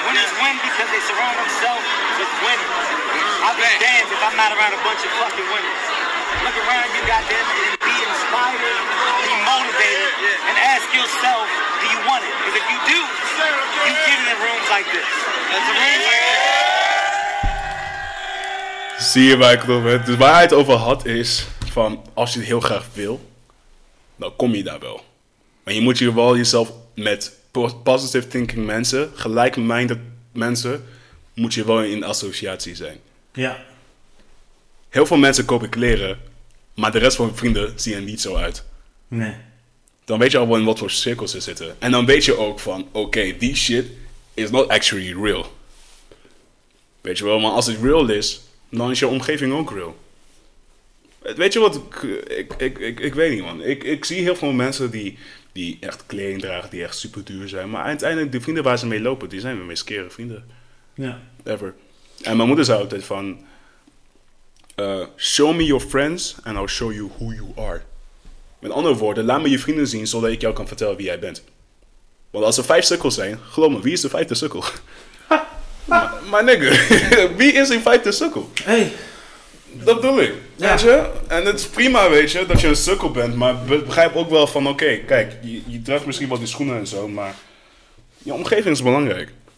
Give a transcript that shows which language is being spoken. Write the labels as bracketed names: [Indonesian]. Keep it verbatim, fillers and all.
[English] Winners win because they surround themselves with winners. I'll be damned if I'm not around a bunch of fucking winners. Look around you goddamn and be inspired, be motivated, and ask yourself, do you want it? Because if you do, you get in rooms like this. That's a room like this. [Dutch] Zie je waar ik het over heb? Dus waar hij het over had is van, als je het heel graag wil, dan kom je daar wel. Maar je moet je wel jezelf met positive thinking mensen, gelijk-minded mensen, moet je wel in associatie zijn. Ja. Heel veel mensen kopen kleren, maar de rest van hun vrienden zien er niet zo uit. Nee. Dan weet je al wel in wat voor cirkels ze zitten. En dan weet je ook van, oké, okay, [English] die shit is not actually real. [Dutch] Weet je wel, maar als het real is, dan is je omgeving ook real. Weet je wat, ik, ik, ik, ik weet niet man. Ik, ik zie heel veel mensen die... Die echt kleding dragen, die echt super duur zijn. Maar uiteindelijk, de vrienden waar ze mee lopen, die zijn mijn meest kere vrienden. Ja. [English] Ever. [Dutch] En mijn moeder zei altijd van... [English] Uh, show me your friends and I'll show you who you are. [Dutch] Met andere woorden, laat me je vrienden zien, zodat ik jou kan vertellen wie jij bent. Want als er vijf sukkels zijn, geloof me, wie is de vijfde sukkel? maar, maar nigga, wie is die vijfde sukkel? Hey. Dat bedoel ik. Ja. Weet je? En het is prima, weet je, dat je een sukkel bent. Maar begrijp ook wel van, oké, okay, kijk, je, je draagt misschien wel die schoenen en zo, maar je omgeving is belangrijk.